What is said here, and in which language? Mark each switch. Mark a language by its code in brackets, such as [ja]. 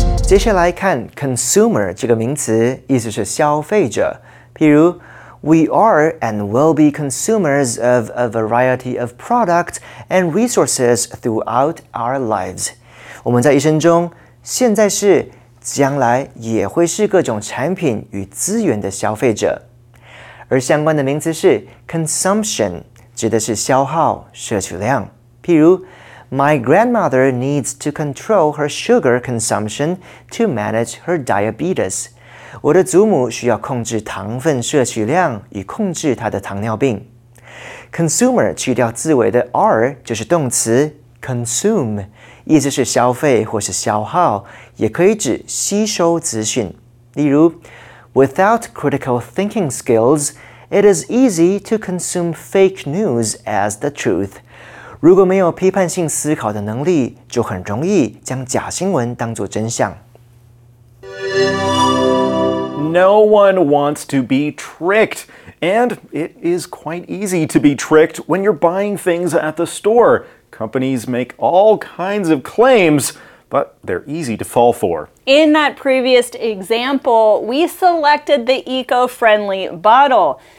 [en] Consumer [zh] 这个名词意思是消费者，譬如 [en] We are and will be consumers of a variety of products and resources throughout our lives. [zh] 我们在一生中，现在是，将来也会是各种产品与资源的消费者。而相关的名词是 consumption， 指的是消耗、摄取量。譬如 [en] My grandmother needs to control her sugar consumption to manage her diabetes. [zh] 我的祖母需要控制糖分摄取量以控制她的糖尿病。 Consumer 去掉字尾的 r 就是动词 consume， 意思是消费或是消耗，也可以指吸收资讯。例如 [en] ，Without critical thinking skills, it is easy to consume fake news as the truth. [zh] 如果没有批判性思考的能力，就很容易将假新闻当作真相。 [en] No one wants to be tricked, and it is quite easy to be tricked when you're buying things at the store. Companies make all kinds of claims, but they're easy to fall for. In that previous example, we selected the eco-friendly bottle.